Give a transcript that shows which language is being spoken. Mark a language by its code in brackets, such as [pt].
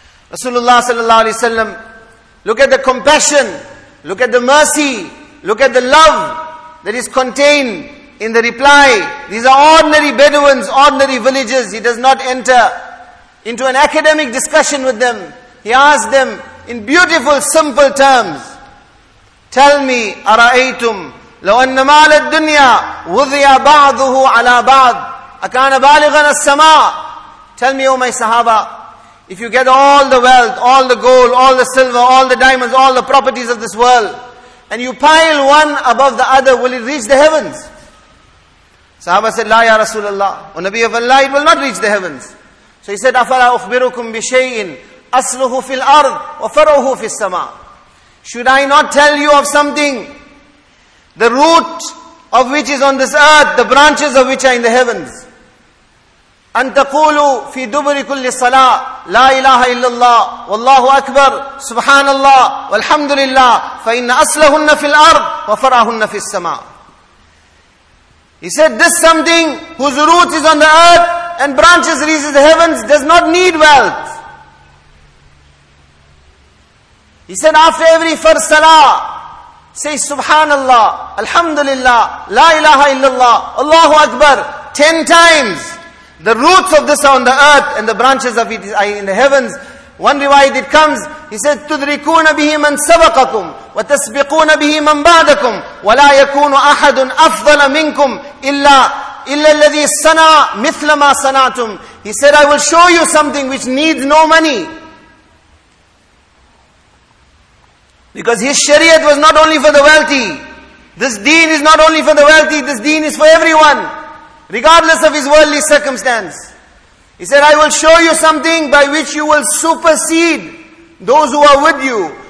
[en] Rasulullah sallallahu alayhi wa sallam, look at the compassion, look at the mercy, look at the love that is contained in the reply. These are ordinary Bedouins, ordinary villagers. He does not enter into an academic discussion with them. He asks them in beautiful, simple terms, tell me, [ar] أَرَأَيْتُمْ لَوْ أَنَّ مَالَ الدُّنْيَا وُضِيَ بَعْضُهُ عَلَىٰ بَعْضٍ أَكَانَ بَالِغًا السَّمَاءِ. [en] Tell me, O my Sahaba, if you get all the wealth, all the gold, all the silver, all the diamonds, all the properties of this world, and you pile one above the other, will it reach the heavens? Sahaba said, [ar] لَا يَا رَسُولَ اللَّهِ. [en] O Nabi of Allah, it will not reach the heavens. So he said, [ar] أَفَلَا أُخْبِرُكُمْ بِشَيْءٍ أَصْلُهُ فِي الْأَرْضِ وَفَرْعُهُ فِي السَّمَاءِ. [en] Should I not tell you of something, the root of which is on this earth, the branches of which are in the heavens? [ar] أن تقولوا في دبر كل صلاة لا إله إلا الله والله أكبر سبحان الله والحمد لله فإن أصلهن في الأرض وفرعهن في السماء. [en] He said, this something whose root is on the earth and branches reaches the heavens does not need wealth. He said, after every first salah, say Subhanallah, Alhamdulillah, La ilaha illallah, Allahu Akbar, 10 times. The roots of this are on the earth and the branches of it are in the heavens. One riwayat it comes, he said, [ar] تُدْرِكُونَ بِهِ مَنْ سَبَقَكُمْ وَتَسْبِقُونَ بِهِ مَنْ بَعْدَكُمْ وَلَا يَكُونُ أَحَدٌ أَفْضَلَ مِنْكُمْ إِلَّا الَّذِي صَنَى مِثْلَ مَا صَنَعْتُمْ. [en] He said, I will show you something which needs no money. Because his shariat was not only for the wealthy. This deen is not only for the wealthy, this deen is for everyone. Regardless of his worldly circumstance. He said, I will show you something by which you will supersede those who are with you.